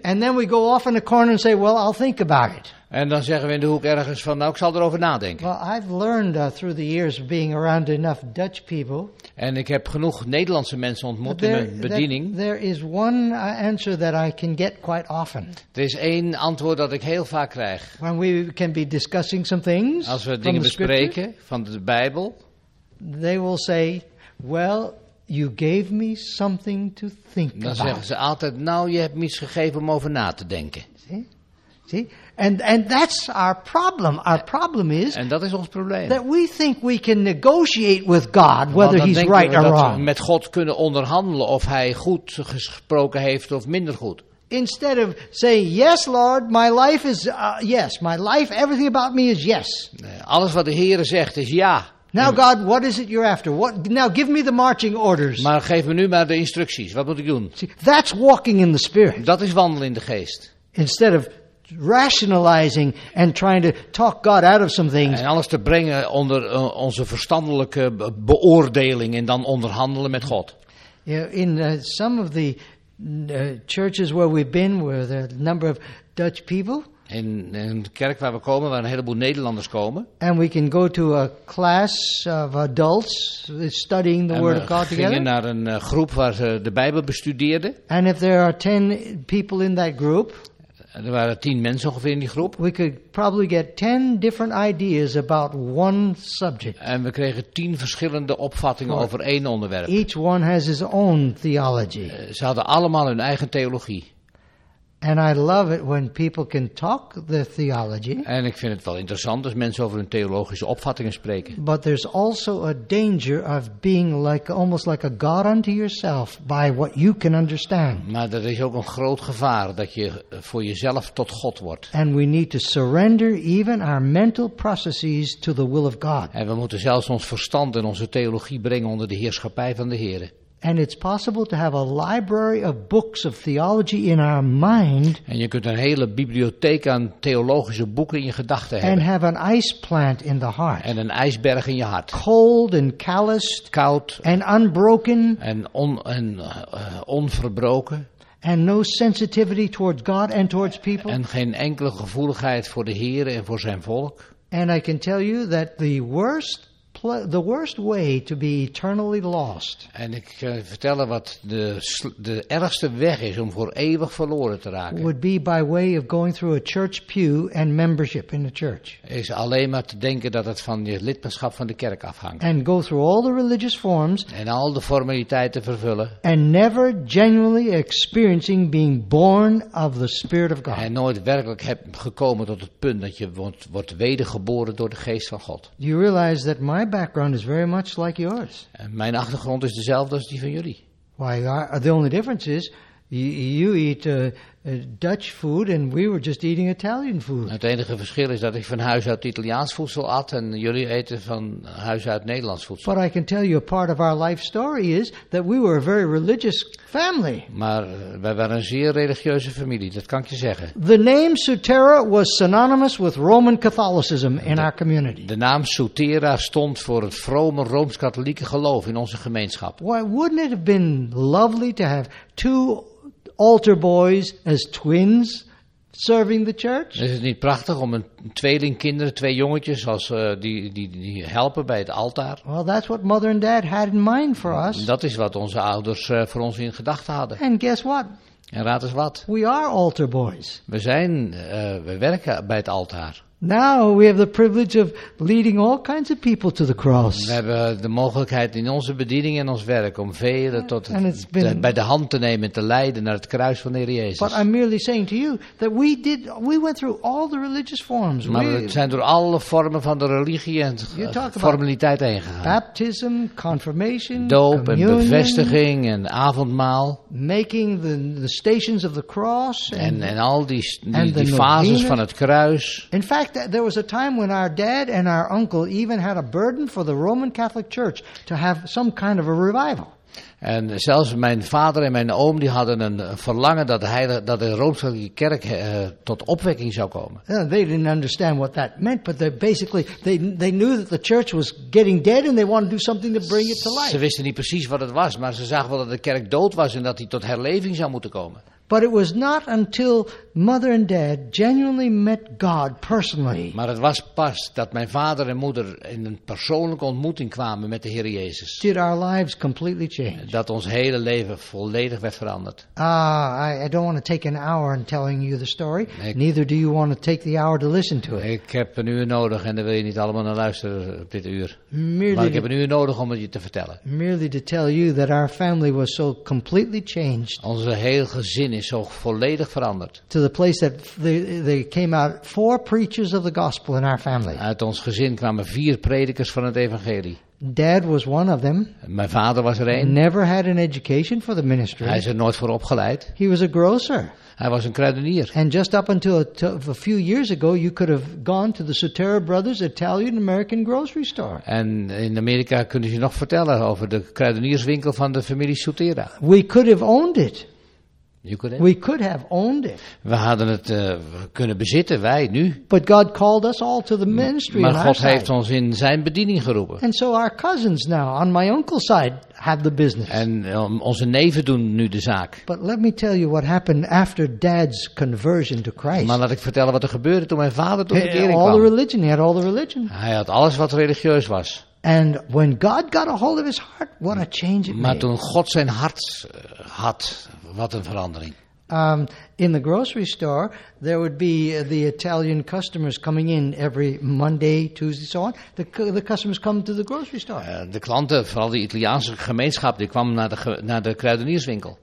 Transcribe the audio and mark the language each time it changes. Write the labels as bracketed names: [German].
[English] And then we go off in a corner and say, well, I'll think about it. [Dutch] En dan zeggen we in de hoek ergens van, nou, ik zal erover nadenken. [English] Well, I've learned through the years of being around enough Dutch people. [Dutch] En ik heb genoeg Nederlandse mensen ontmoet in mijn bediening. [English] There is one answer that I can get quite often. [Dutch] Er is één antwoord dat ik heel vaak krijg. [English] When we can be discussing some things. [Dutch] Als we dingen bespreken van de Bijbel. [English] They will say, well, you gave me something to think [Dutch] dan [English] about. [Dutch] Dan zeggen ze altijd, nou, je hebt me iets gegeven om over na te denken. [English] See? And that's our problem. Our problem is [Dutch] en dat is ons probleem. [English] That we think we can negotiate with God whether he's right or wrong. [Dutch] Dat we met God kunnen onderhandelen of hij goed gesproken heeft of minder goed. [English] Instead of saying, yes, Lord, my life is yes. My life, everything about me is yes. [Dutch] Alles wat de Heere zegt is ja. [English] Now, God, what is it you're after? What, now, give me the marching orders. [Dutch] Maar geef me nu maar de instructies. Wat moet ik doen? [English] See, that's walking in the Spirit. [Dutch] Dat is wandelen in de geest. [English] Instead of rationalizing and trying to talk God out of some things. [Dutch] En alles te brengen onder onze verstandelijke beoordeling en dan onderhandelen met God. [English] Yeah, in some of the churches where we've been, where there are a number of Dutch people. [Dutch] In de kerk waar we komen, waar een heleboel Nederlanders komen. [English] And we can go to a class of adults studying the Word of God together. [Dutch] En we gingen naar een groep waar ze de Bijbel bestudeerden. [English] And if there are 10 people in that group. [Dutch] En er waren 10 mensen ongeveer in die groep. [English] We could probably get 10 different ideas about one subject. [Dutch] En we kregen 10 verschillende opvattingen over één onderwerp. [English] Each one has his own theology. [Dutch] Ze hadden allemaal hun eigen theologie. [English] And I love it when people can talk their theology. [Dutch] En ik vind het wel interessant als mensen over hun theologische opvattingen spreken. [English] But there's also a danger of being like almost like a god unto yourself by what you can understand. [Dutch] Maar er is ook een groot gevaar dat je voor jezelf tot God wordt. [English] And we need to surrender even our mental processes to the will of God. [Dutch] En we moeten zelfs ons verstand en onze theologie brengen onder de heerschappij van de Heere. [English] And it's possible to have a library of books of theology in our mind. [Dutch] En je kunt een hele bibliotheek aan theologische boeken in je gedachten hebben. [English] And have an ice plant in the heart. [Dutch] En een ijsberg in je hart. [English] Cold and calloused. [Dutch] Koud. [English] And unbroken. [Dutch] En onverbroken. [English] And no sensitivity towards God and towards people. [Dutch] En geen enkele gevoeligheid voor de Heer en voor zijn volk. [English] And I can tell you that the worst way to be eternally lost. [Dutch] En ik kan vertellen wat de ergste weg is om voor eeuwig verloren te raken. [English] Would be by way of going through a church pew and membership in a church. [Dutch] Is alleen maar te denken dat het van je lidmaatschap van de kerk afhangt. [English] And go through all the religious forms. [Dutch] En al de formaliteiten vervullen. [English] And never genuinely experiencing being born of the Spirit of God. [Dutch] En nooit werkelijk heb gekomen tot het punt dat je wordt wedergeboren door de Geest van God. [English] Do you realize that my background is very much like yours. [Dutch] En mijn achtergrond is dezelfde als die van jullie. [English] Why? The only difference is you eat Dutch food and we were just eating Italian food. [Dutch] Het enige verschil is dat ik van huis uit Italiaans voedsel at en jullie eten van huis uit Nederlands voedsel. [English] But I can tell you a part of our life story is that we were a very religious family. [Dutch] Maar wij waren een zeer religieuze familie, dat kan ik je zeggen. [English] The name Sutera was synonymous with Roman Catholicism in our community. [Dutch] De naam Sutera stond voor het vrome Rooms-Katholieke geloof in onze gemeenschap. [English] Why wouldn't it have been lovely to have two altar boys as twins serving the church? [Dutch] Is het niet prachtig om een tweelingkinderen, twee jongetjes als die helpen bij het altaar? [English] Well, that's what mother and dad had in mind for us. [Dutch] Dat is wat onze ouders voor ons in gedachten hadden. [English] And guess what? [Dutch] En raad eens wat? [English] We are altar boys. [Dutch] We werken bij het altaar. [English] Now we have the privilege of leading all kinds of people to the cross. [Dutch] We hebben de mogelijkheid in onze bediening en ons werk om velen bij de hand te nemen en te leiden naar het kruis van de Heer Jezus. [English] But I'm merely saying to you that we went through all the religious forms. [Dutch] Maar we zijn door alle vormen van de religie en formaliteit heen gegaan. [English] Baptism, confirmation, [Dutch] doop en [English] communion, [Dutch] bevestiging en avondmaal. [English] Making the stations of the cross. [Dutch] En al die fases van het kruis. [English] In fact, there was a time when our dad and our uncle even had a burden for the Roman Catholic Church to have some kind of a revival. [Dutch] En zelfs mijn vader en mijn oom die hadden een verlangen dat de Rooms-Katholieke Kerk tot opwekking zou komen. [English] They didn't understand what that meant, but they basically they knew that the church was getting dead and they wanted to do something to bring it to life. [Dutch] Ze wisten niet precies wat het was, maar ze zagen wel dat de kerk dood was en dat die tot herleving zou moeten komen. [English] But it was not until mother and dad genuinely met God personally. [Dutch] Maar het was pas dat mijn vader en moeder in een persoonlijke ontmoeting kwamen met de Heer Jezus. [English] Did our lives completely change? [Dutch] Dat ons hele leven volledig werd veranderd. [English] I don't want to take an hour in telling you the story. Neither do you want to take the hour to listen to it. [Dutch] Ik heb een uur nodig en dan wil je niet allemaal naar luisteren op dit uur. Maar ik heb een uur nodig om het je te vertellen. [English] Merely to tell you that our family was so completely changed. [Dutch] Onze hele gezin is zo volledig veranderd. [English] To the place that they came out 4 preachers of the gospel in our family. [Dutch] Uit ons gezin kwamen 4 predikers van het evangelie. [English] Dad was one of them. [Dutch] Mijn vader was er één. [English] Never had an education for the ministry. [Dutch] Hij is er nooit voor opgeleid. [English] He was a grocer. [Dutch] Hij was een kruidenier. [English] And just up until a few years ago, you could have gone to the Sotera Brothers Italian American grocery store. [Dutch] En in Amerika kunnen ze nog vertellen over de kruidenierswinkel van de familie Sotera. [English] We could have owned it. You could have. We could have owned it. [Dutch] We hadden het kunnen bezitten, wij nu. [English] But God called us all to the ministry. [Dutch] Maar God heeft ons in zijn bediening geroepen. [English] And so our cousins now on my uncle's side have the business. [Dutch] En onze neven doen nu de zaak. [English] But let me tell you what happened after Dad's conversion to Christ. [Dutch] Maar laat ik vertellen wat er gebeurde toen mijn vader tot bekering kwam. [English] All the religion, he had all the religion. [Dutch] Hij had alles wat religieus was. [English] And when God got a hold of his heart, what a change it made. [Dutch] Maar toen God zijn hart had, wat een verandering. [English] In the grocery store, there would be the Italian customers coming in every Monday, Tuesday, so on. The customers come to the grocery store. [Dutch] De klanten, vooral de Italiaanse gemeenschap, die kwamen naar de kruidenierswinkel.